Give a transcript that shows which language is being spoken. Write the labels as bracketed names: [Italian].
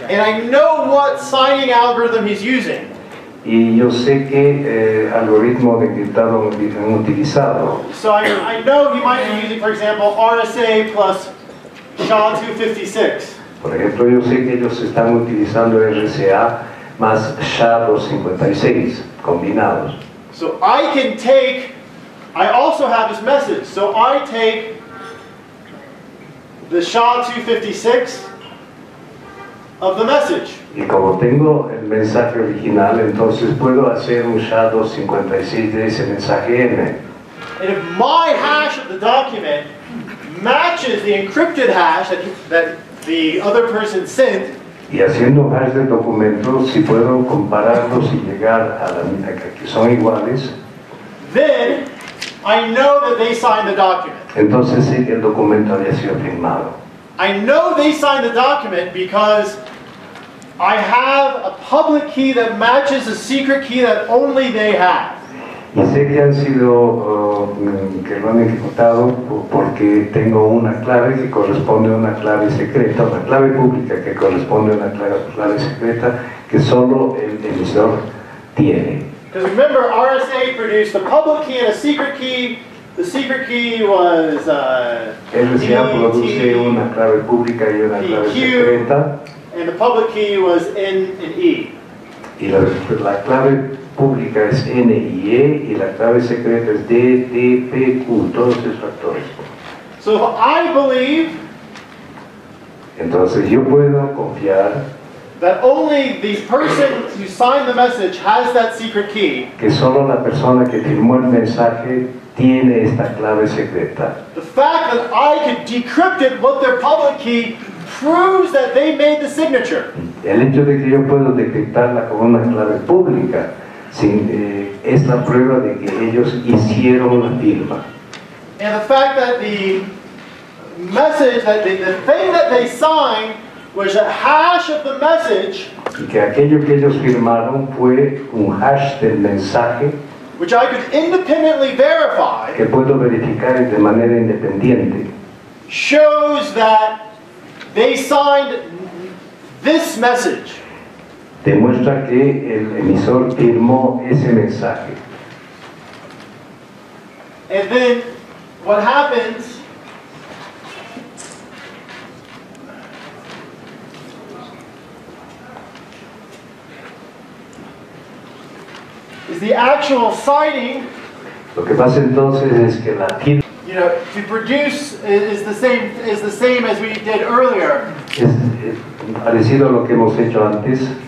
[English] And I know what signing algorithm he's using. [Spanish] Y yo sé qué algoritmo de encriptado han utilizado. [English] So I know he might be using, for example, RSA plus SHA-256. [Spanish] Por ejemplo, yo sé que ellos están utilizando RSA más SHA-256 combinados. [English] So I can take, I also have this message. So I take the SHA-256 of the message. [Spanish] Y como tengo el mensaje original, entonces puedo hacer un SHA-256 de ese mensaje N. [English] And if my hash of the document matches the encrypted hash that the other person sent. [Spanish] Y haciendo hash del documento, si puedo compararlos y llegar a la mitad que son iguales. [English] Then I know that they signed the document. [Spanish] Entonces sé que el documento había sido firmado. [English] I know they signed the document because I have a public key that matches a secret key that only they have. [Spanish] Y sé que han sido que lo han ejecutado porque tengo una clave que corresponde a una clave secreta, una clave pública que corresponde a una clave secreta que solo el emisor tiene. [English] Because remember, RSA produced a public key and a secret key. The secret key was [Spanish] RSA produce una clave pública y una clave secreta. [English] And the public key was N and E. [Spanish] Y la clave pública es N y E y la clave secreta es D, D, P, Q, todos esos factores. [English] So if I believe, [Spanish] entonces yo puedo confiar [English] that only the person who signed the message has that secret key, [Spanish] que solo la persona que firmó el mensaje tiene esta clave secreta. [English] The fact that I can decrypt it with their public key proves that they made the signature. [Spanish] El hecho de que yo puedo decriptarla con una clave pública es la prueba de que ellos hicieron la firma. [English] And the fact that the message, that the thing that they signed was a hash of the message, [Spanish] y que aquello que ellos firmaron fue un hash del mensaje, [English] which I could independently verify, [Spanish] que puedo verificar de manera independiente, [English] shows that they signed this message. [Spanish] Demuestra que el emisor firmó ese mensaje. [English] And then, what happens? Is the actual signing. [Spanish] Lo que pasa entonces es que la firma. [English] You know, to produce is the same as we did earlier. [Spanish] Es parecido a lo que hemos hecho antes.